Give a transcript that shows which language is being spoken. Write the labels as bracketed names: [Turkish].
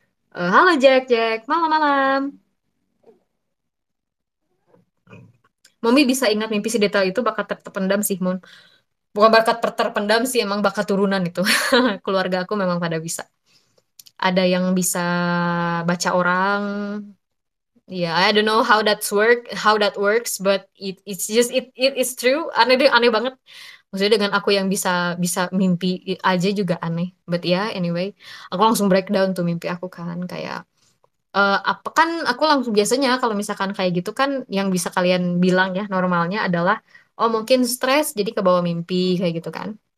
[Indonesian] Halo Jack, Jack malam malam. Mami bisa ingat mimpi sedetail itu bakat terpendam sih, Mon. Bukan bakat terpendam sih, emang bakat turunan itu. Keluarga aku memang pada bisa. Ada yang bisa baca orang. [English] Ya, yeah, I don't know how that works, but it's just it is true. [Indonesian] Aneh deh, aneh banget. Maksudnya dengan aku yang bisa bisa mimpi aja juga aneh. But ya, yeah, anyway, aku langsung breakdown tuh mimpi aku kan kayak apa kan aku langsung biasanya kalau misalkan kayak gitu kan yang bisa kalian bilang ya normalnya adalah oh mungkin stres jadi kebawa mimpi kayak gitu kan.